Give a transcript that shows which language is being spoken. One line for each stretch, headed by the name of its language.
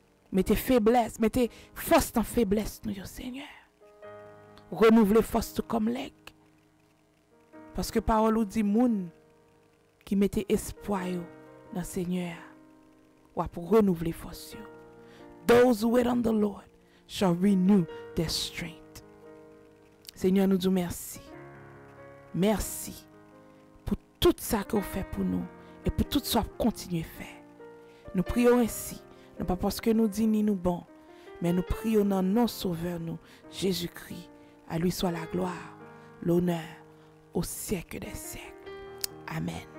French: Mettez faiblesse, mettez force dans faiblesse nous, Seigneur. Renouvelez force comme l'aigle. Parce que parole ou dit moun qui mettez espoir dans Seigneur, ou pour renouveler force.
English: Those who wait on the Lord shall renew their strength.
French: Seigneur, nous disons merci. Merci pour tout ça que vous faites pour nous et pour tout ce que vous continuez à faire. Nous prions ainsi, non pas parce que nous disons ni nous bon, mais nous prions dans nos sauveurs, nous, Jésus-Christ. À lui soit la gloire, l'honneur au siècle des siècles. Amen.